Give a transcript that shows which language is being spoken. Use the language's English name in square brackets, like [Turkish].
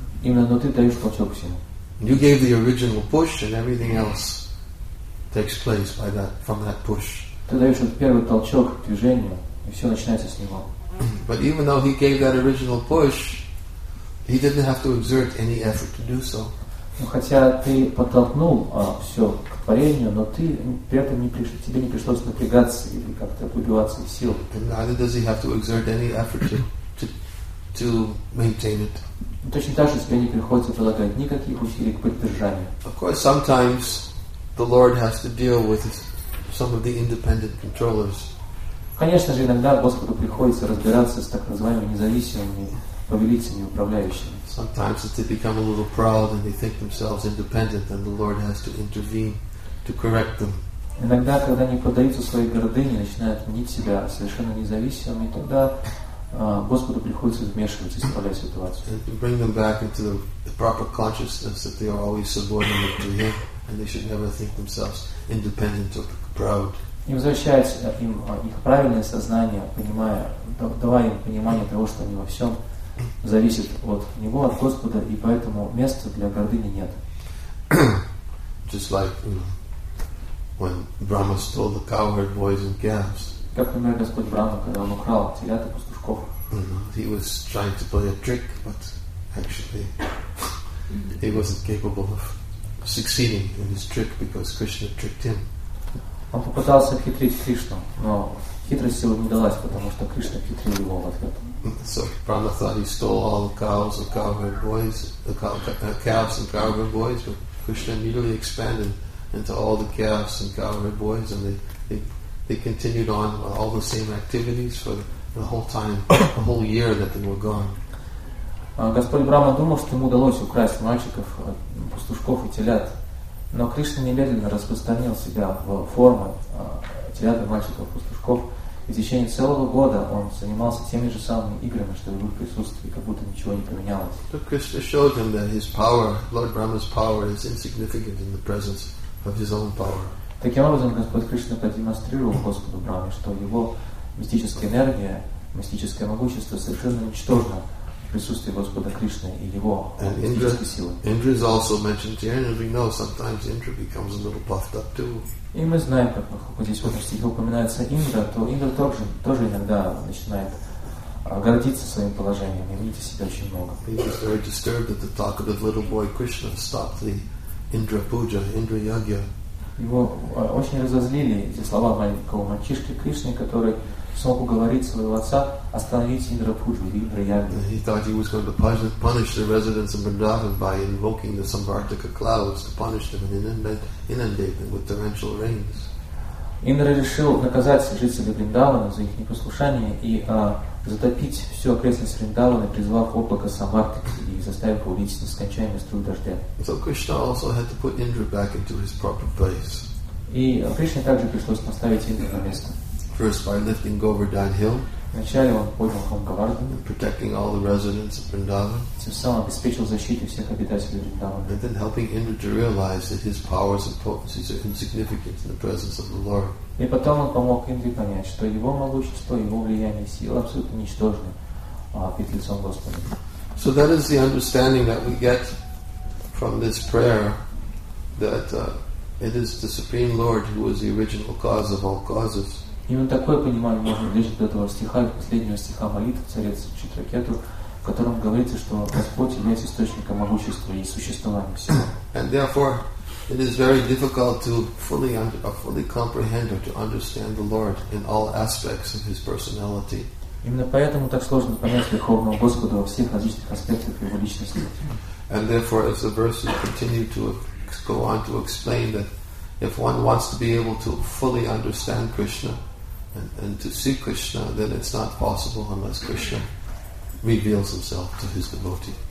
[Russian] Именно, но ты даешь толчок всему. [English] You gave the original push and everything else takes place by that, from that push. [Russian] Ты даешь вот первый толчок к движению, и все начинается с него. [English] But even though he gave that original push, he didn't have to exert any effort to do so. [Russian] Ну хотя ты подтолкнул все к творению, но ты при этом тебе не пришлось напрягаться или как-то выбиваться из сил. [English] And neither does he have to exert any effort to maintain it. [Russian] Точно так же тебе не приходится прилагать никаких усилий к поддержанию. [English] Of course, sometimes the Lord has to deal with some of the independent controllers. [Russian] Конечно же, иногда Господу приходится разбираться с так называемыми независимыми повелителями, управляющими. [English] Sometimes they become a little proud and they think themselves independent, and the Lord has to intervene to correct them. [Russian] Иногда, когда они поддаются своей гордыне, начинают мнить себя совершенно независимыми, тогда Господу приходится вмешиваться и исправлять ситуацию. [English] And to bring them back into the proper consciousness that they are always subordinate to Him, and they should never think themselves independent or proud. [Russian] И возвращается им их правильное сознание, понимая, давая им понимание того, что они во всем зависят от Него, от Господа, и поэтому места для гордыни нет. [English] Just like when Brahma stole the cowherd boys and calves. [Russian] Как, например, Господь Брама, когда он украл телят и пастушков. [English] He was trying to play a trick, but actually he wasn't capable of succeeding in his trick because Krishna tricked him. [Russian] Он попытался обхитрить Кришну, но хитрость его не далась, потому что Кришна обхитрил его в ответ. [English] So Brahma thought he stole all the cows, the cowherd boys, calves and cowherd boys, but Krishna immediately expanded into all the calves and cowherd boys, and they continued on with all the same activities for the whole time, the whole year that they were gone. [Russian] Господь Брама думал, что ему удалось украсть мальчиков, пастушков и телят. Но Кришна немедленно распространил себя в формы телят, мальчиков, пастушков, и в течение целого года он занимался теми же самыми играми, что и в их присутствии, как будто ничего не поменялось. [English] So Krishna showed him that his power, Lord Brahma's power, is insignificant in the presence of his own power. [Russian] Таким образом, Господь Кришна продемонстрировал Господу Браме, что его мистическая энергия, мистическое могущество совершенно ничтожно присутствие Господа Кришны и Его физической силы. [English] Indra is also mentioned here, and we know sometimes Indra becomes a little puffed up too. [Russian] И мы знаем, как здесь в этом стихе упоминается Индра, то Индра тоже иногда начинает гордиться своим положением и видеть себя очень много. [English] He was very disturbed at the talk of the little boy Krishna stopped the Indra puja, Indra yagya. [Russian] Его очень разозлили эти слова маленького мальчишки Кришны, который смог уговорить своего отца остановить Индра пуджу, Индра ягью. [English] He thought he was going to punish the residents of Vrindavan by invoking the Samvartika clouds to punish them and inundate them with torrential rains. [Russian] Индра решил наказать жителей Вриндавана за их непослушание и затопить всю окрестность Вриндавана, призвав облако Самвартики и заставив его лить нескончаемый струй дождя. [English] So Krishna also had to put Indra back into his proper place. [Russian] И Кришне также пришлось поставить Индру на место. [English] First by lifting Govardhan Hill. [Russian] Вначале он поднял холм Говардхан. [English] Protecting all the residents of Vrindavan. [Russian] Тем самым обеспечил защиту всех обитателей Вриндавана. [English] And then helping Indra to realize that his powers and potencies are insignificant in the presence of the Lord. [Russian] И потом он помог Индре понять, что его могущество, его влияние и сила абсолютно ничтожны перед лицом Господа. [English] So that is the understanding that we get from this prayer that it is the Supreme Lord who is the original cause of all causes. [Russian] Именно такое понимание можно увидеть от этого стиха, от последнего стиха молитвы царец Читракету, в котором говорится, что Господь является источником могущества и существования всего. [English] And therefore, it is very difficult to fully comprehend or to understand the Lord in all aspects of His personality. [Russian] Именно поэтому так сложно понять Верховного Господа во всех различных аспектах Его личности. [English] And therefore, as the verses continue to go on to explain that if one wants to be able to fully understand Krishna and to see Krishna, then it's not possible unless Krishna reveals himself to his devotee.